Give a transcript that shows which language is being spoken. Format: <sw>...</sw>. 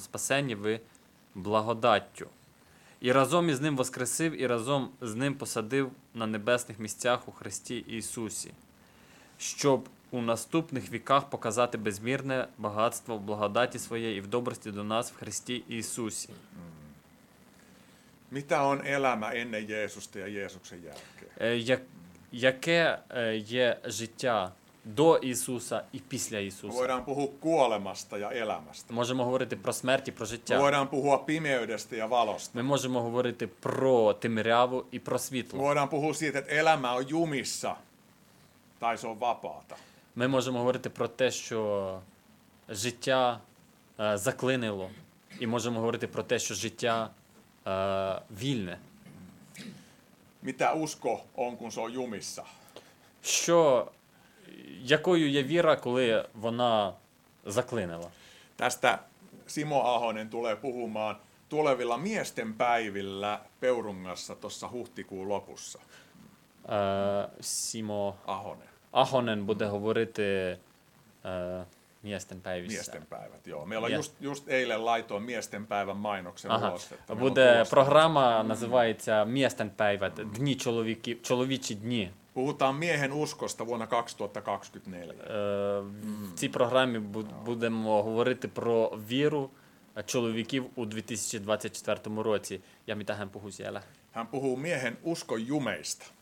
<uk>Спасені ви благодаттю. І разом із ним воскресив, і разом з ним посадив на небесних місцях у Христі Ісусі, щоб у наступних віках показати безмірне багатство в благодаті своєї і в добрості до нас в Христі Ісусі.</uk> <fi>Mitä on elämä ennen Jeesusta ja Jeesuksen jälkeen?</fi> <uk>Яке є життя до Ісуса і після Ісуса?</uk> <fi>Voidaan puhua kuolemasta ja elämästä.</fi> <uk>Можемо говорити про смерть і про життя.</uk> <fi>Voidaan puhua pimeydestä ja valosta.</fi> <uk>Ми можемо говорити про темряву і про світло.</uk> <fi>Voidaan puhua siitä, että elämä on jumissa tai se on vapaata.</fi> <uk>Ми можемо говорити про те, що життя заклинило. І можемо говорити про те, що життя вільне.</uk> <fi>Mitä usko on, kun se on jumissa?</fi> <uk>Що, якою є віра, коли вона заклинила?</uk> <fi>Tästä Simo Ahonen tulee puhumaan tulevilla miesten päivillä Peurungassa tuossa huhtikuun lopussa. Simo Ahonen.</fi> <uk>Ahonen буде говорити</uk> <fi>miesten päivissä. Miesten päivät, joo. Meillä on just eilen laitoin miesten päivän mainoksen ulos.</fi> <uk>Буде програма називається Miesten päivät, дні чоловіки, чоловічі дні.</uk> <fi>Puhutaan miehen uskosta vuonna 2024.</fi> <uk>В цій програмі будемо говорити про віру чоловіків у 2024 році. Я мітаю,</uk> <fi>hän puhuu siellä. Hän puhuu miehen uskon jumeista.</fi>